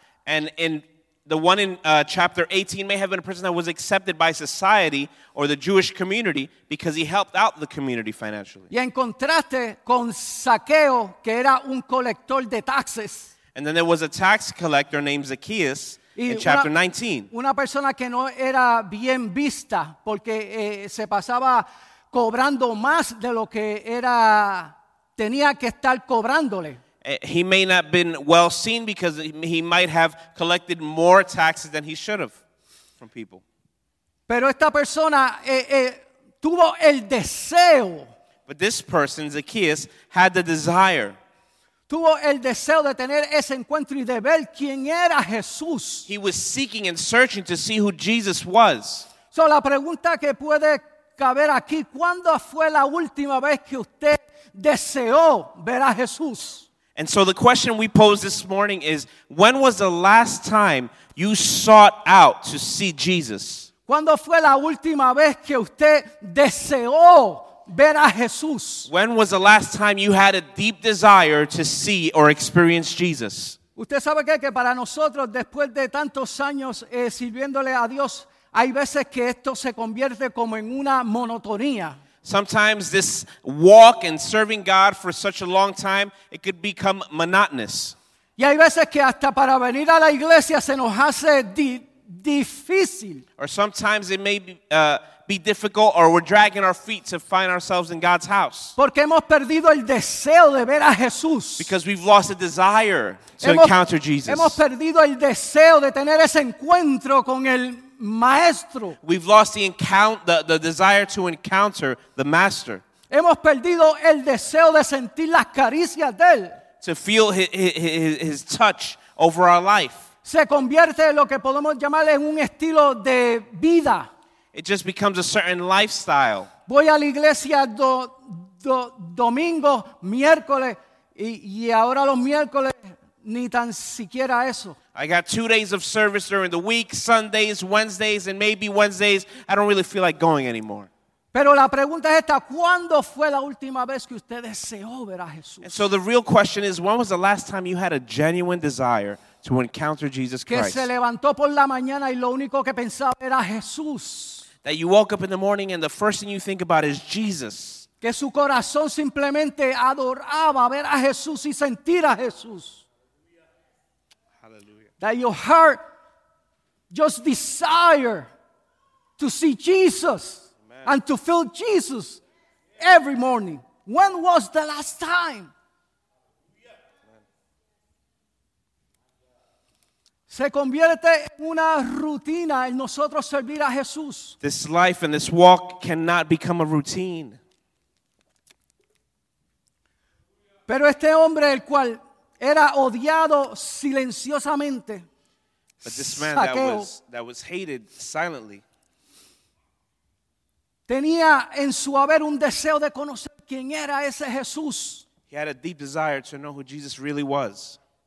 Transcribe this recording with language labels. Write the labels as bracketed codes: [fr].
[en] And in the one in chapter 18 may have been a person that was accepted by society or the Jewish community because he helped out the community financially. [es] Y en contraste con Zaqueo, que era un colector de taxes. [en] And then there was a tax collector named Zacchaeus. in chapter 19. [es] Una persona que no era bien vista porque se pasaba cobrando más de lo que era tenía que estar cobrándole. [en] He may not have been well seen because he might have collected more taxes than he should have from people. [es] Pero esta persona tuvo el deseo. [en] But this person, Zacchaeus, had the desire. [es] Tuvo el deseo de tener ese encuentro y de ver quién era Jesús. [en] He was seeking and searching to see who Jesus was. [es] So la pregunta que puede caber aquí, ¿cuándo fue la última vez que usted deseó ver a Jesús? [en] And so the question we pose this morning is, when was the last time you sought out to see Jesus? [es] ¿Cuándo fue la última vez que usted deseó ver a Jesús? [en] When was the last time you had a deep desire to see or experience Jesus? [es] Usted sabe que para nosotros, después de tantos años sirviéndole a Dios, hay veces que esto se convierte como en una monotonía. [en] Sometimes this walk and serving God for such a long time, it could become monotonous. [es] Y hay veces que hasta para venir a la iglesia se nos hace difícil. [en] Or sometimes it may be difficult, or we're dragging our feet to find ourselves in God's house. [es] Porque hemos perdido el deseo de ver a Jesús. [en] Because we've lost the desire to encounter Jesus. [es] Hemos perdido el deseo de tener ese encuentro con el Maestro. [en] We've lost the desire to encounter the Master. [es] Hemos perdido el deseo de sentir las caricias de él. [en] To feel his touch over our life. [es] Se convierte en lo que podemos llamar en un estilo de vida. [en] It just becomes a certain lifestyle. [es] Voy a la iglesia domingo, miércoles, y ahora los miércoles ni tan siquiera eso. [en] I got 2 days of service during the week, Sundays, Wednesdays, and maybe Wednesdays. I don't really feel like going anymore. [es] Pero la pregunta es esta, ¿cuándo fue la última vez que usted deseó ver a Jesús? [en] And so the real question is, when was the last time you had a genuine desire to encounter Jesus Christ? [es] Que se levantó por la mañana y lo único que pensaba era Jesús. [en] That you woke up in the morning and the first thing you think about is Jesus. [es] Que su corazón simplemente adoraba ver a Jesús y sentir a Jesús. [en] That your heart just desire to see Jesus. Amen. And to feel Jesus every morning. When was the last time? [es] Se convierte en una rutina en nosotros servir a Jesús. [en] This life and this walk cannot become a routine. [es] Pero este hombre, el cual era odiado silenciosamente. [en] But this man that was hated silently. [es] Tenía en su haber un deseo de conocer quién era ese Jesús. [en] He had a deep desire to know who Jesus really was.